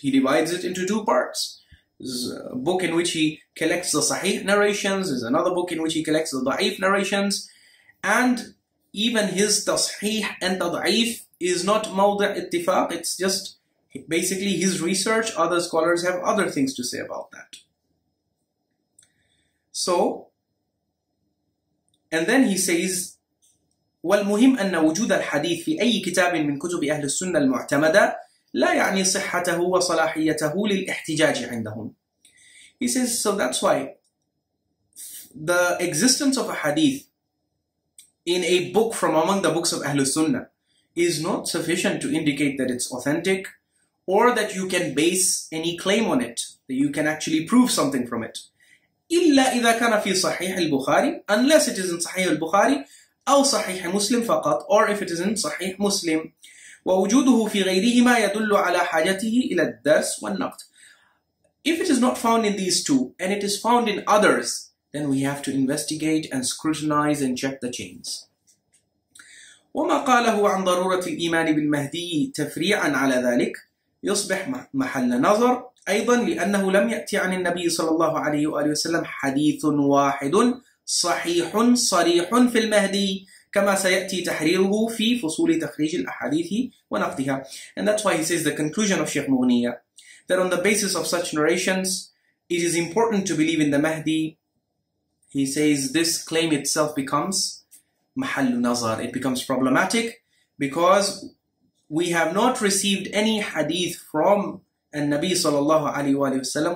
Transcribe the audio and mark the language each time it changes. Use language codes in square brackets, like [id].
[en] He divides it into two parts. There's a book in which he collects the Sahih narrations, there's another book in which he collects the Da'if narrations, and even his Tasheeh and Tad'if is not Mawdi' Ittifaq. It's just basically his research. Other scholars have other things to say about that. So, and then he says, [ar] والمهم أن وجود الحديث في أي كتاب من كتب أهل السنة المعتمدة لا يعني صحته وصلاحيته للاحتجاج عندهم. [en] He says, so that's why the existence of a hadith in a book from among the books of Ahl al-Sunnah is not sufficient to indicate that it's authentic or that you can base any claim on it, that you can actually prove something from it. [ar] إلا إذا كان في صحيح البخاري, [en] unless it is in [ar] صحيح البخاري أو صحيح مسلم فقط, [en] or if it is in [ar] صحيح مسلم. ووجوده في غيرهما يدل على حاجته إلى الدرس والنقد. [en] If it is not found in these two and it is found in others, then we have to investigate and scrutinize and check the chains. [ar] وما قاله عن ضرورة الإيمان بالمهدي تفريعا على ذلك يصبح محل نظر أيضا لأنه لم يأتي عن النبي صلى الله عليه وآله وسلم حديث واحد صحيح صريح في المهدي كما سيأتي تحريره في فصول تخريج الأحاديث ونقدها. [en] And that's why he says the conclusion of Sheikh Mughniya, that on the basis of such narrations, it is important to believe in the Mahdi. He says this claim itself becomes [ar] محل نظر. [en] It becomes problematic because we have not received any hadith from Nabi sallallahu alayhi wa sallam.